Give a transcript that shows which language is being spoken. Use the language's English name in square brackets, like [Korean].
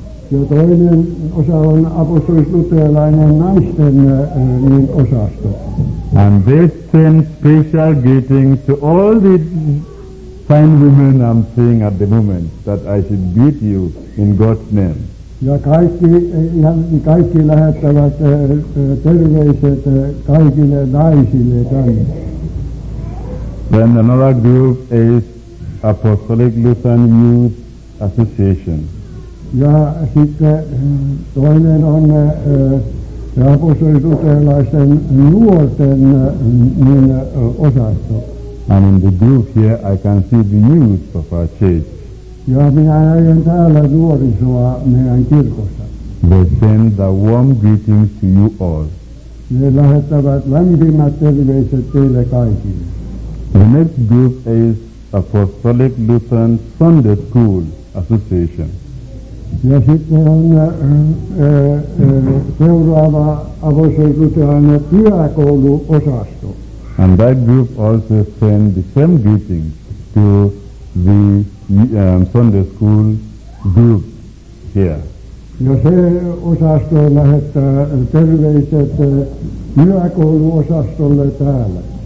[Finnish] Ja toinen osa on apostolis-luterilainen naisten niin osasto. [English] And they send special greetings to all the fine women I'm seeing at the moment, that I should greet you in God's name. [Finnish] Ja kaikki lähettävät terveiset kaikille naisille tänne. [English] Then another group is Apostolic Lutheran Youth Association. [Finnish] Ja sitten toinen on apostolis-luterilaisten nuorten niin osasto. [English] And in the group here, I can see the youth of our church. [Finnish] Ja minä näen täällä nuorisoa meidän kirkossa. [English] They send the warm greetings to you all. [Finnish] Ne lähettävät lämpimät terveiset teille kaikille. [English] The next group is Apostolic Lutheran Sunday School Association. [Finnish] Ja sitten on seuraava apostolis-luterilainen työkouluosasto. [English] And that group also sends the same greetings to the Sunday School group here. [Finnish] Ja se osasto lähettää terveiset työkouluosastolle täällä.